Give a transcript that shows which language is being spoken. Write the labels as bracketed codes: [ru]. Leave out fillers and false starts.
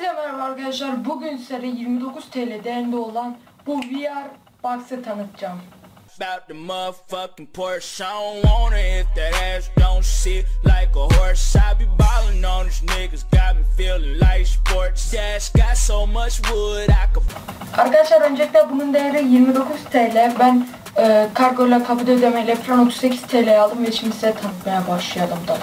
[tr] Merhaba arkadaşlar, bugün size 29 TL değerinde olan bu VR box'ı tanıtacağım. [en] About the motherfucking Porsche, I don't wanna hit that ass, don't see like a horse. I be ballin' on these niggas, got me feelin' like sports. Yes, got so much wood, I could... [tr] Arkadaşlar öncelikle bunun değeri 29 TL. Ben kargo ile kapıda ödeme ile falan 38 TL aldım ve şimdi size tanıtmaya başlayalım.